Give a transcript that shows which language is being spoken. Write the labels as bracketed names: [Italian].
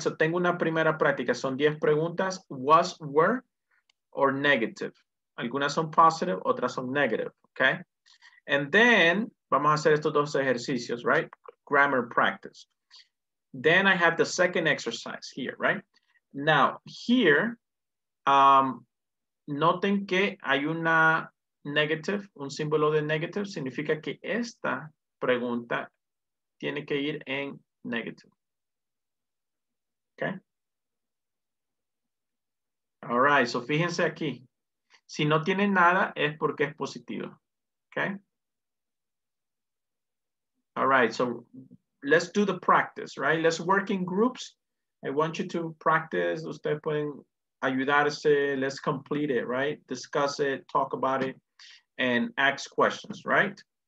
[Spanish] So tengo una primera práctica. Son 10 preguntas. [English] Was, were, or negative. [Spanish] Algunas son positive, otras son negative, okay? [English] And then, [Spanish] vamos a hacer estos dos ejercicios, right? [English] Grammar practice. Then I have the second exercise here, right? [Spanish] Now, here, noten que hay una negative, un símbolo de negative, significa que esta pregunta tiene que ir en negative. Okay? [English] All right, so [Spanish] fíjense aquí. Si no tiene nada, es porque es positivo. [English] Okay? All right, so let's do the practice, right? Let's work in groups. I want you to practice. [Spanish] Ustedes pueden ayudarse. [English] Let's complete it, right? Discuss it, talk about it, and ask questions, right?